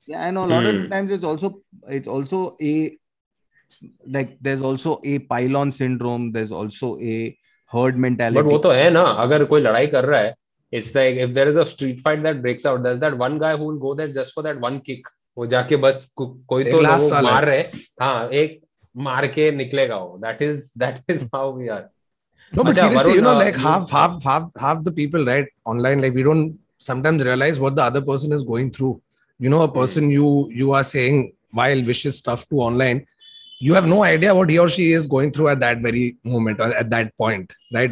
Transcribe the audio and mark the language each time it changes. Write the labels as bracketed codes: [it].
[en] Yeah. And a lot of times there's also a pylon syndrome. There's also a herd mentality. [hi] But wo to hai na, agar koi ladai kar raha hai. [en] It's like if there is a street fight that breaks out, there's that one guy who will go there just for that one kick. [hi] वो जाके बस कोई तो लोग मार रहे हाँ एक मार के निकलेगा वो. [en] That is how we are. No, but seriously, Varun, you know, like half the people, right, online, like we don't sometimes realize what the other person is going through. You know, a person you are saying vile vicious stuff to online. You have no idea what he or she is going through at that very moment or at that point, right?